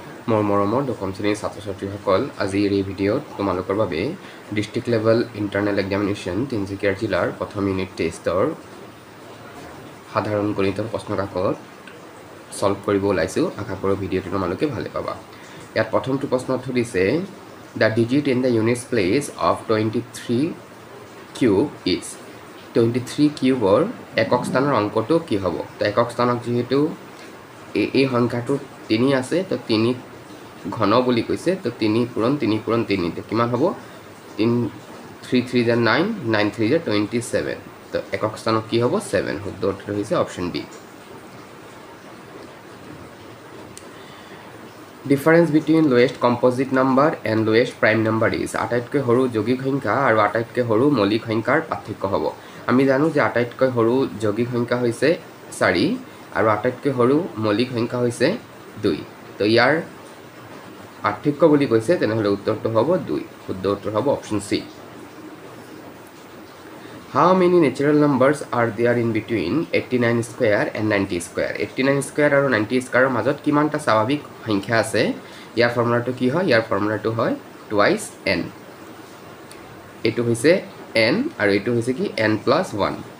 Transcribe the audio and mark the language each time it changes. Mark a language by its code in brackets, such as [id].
[as] মোৰ মৰমৰ দশম শ্ৰেণীৰ ছাত্ৰ ছাত্ৰীসকল, আজিৰ এই ভিডিঅ'ত তোমালোকৰ বাবে district level internal examination Tinsukia জিলাৰ প্ৰথম ইউনিট টেষ্টৰ সাধাৰণ গণিতৰ প্ৰশ্ন কাকত ছল্ভ কৰিব ওলাইছোঁ। আশা কৰোঁ ভিডিঅ'টো তোমালোকে ভালে পাবা। ইয়াত প্ৰথমটো প্ৰশ্নত সুধিছে [en] the digit in the unit place of 23 cube is, [as] 23 কিউবৰ একক স্থানৰ অংকটো কি হ'ব। তো একক স্থানক যিহেতু এই সংখ্যাটো তিনি আছে, তো তিনি ঘন বুলি কৈছে, তো তিনি পূৰণ তিনি কিমান হ'ব, 3 3 যে 9 9 3 যে 27, তো একক স্থানক কি হ'ব, 7। শুদ্ধ উত্তৰ হৈছে option B. [en] difference between lowest composite number and lowest prime number is, [as] আটাইতকৈ সৰু যৌগিক সংখ্যা আৰু আটাইতকৈ সৰু মৌলিক সংখ্যাৰ পাৰ্থক্য হ'ব। আমি জানো যে আটাইতকৈ সৰু যৌগিক সংখ্যা হৈছে 4 আৰু আটাইতকৈ সৰু মৌলিক সংখ্যা হৈছে 2। তো ইয়াৰ পাৰ্থক্য বুলি কৈছে, তেনেহ'লে উত্তৰটো হ'ব 2। শুদ্ধ উত্তৰ হ'ব option C. [en] how many natural numbers are there in between 89² and 90² [as] 89² আৰু 90² মাজত কিমানটা স্বাভাৱিক সংখ্যা আছে। ইয়াৰ ফৰ্মুলাটো কি হয়, ইয়াৰ ফৰ্মুলাটো হয় 2n। এইটো হৈছে n আৰু এইটো হৈছে কি, n+1।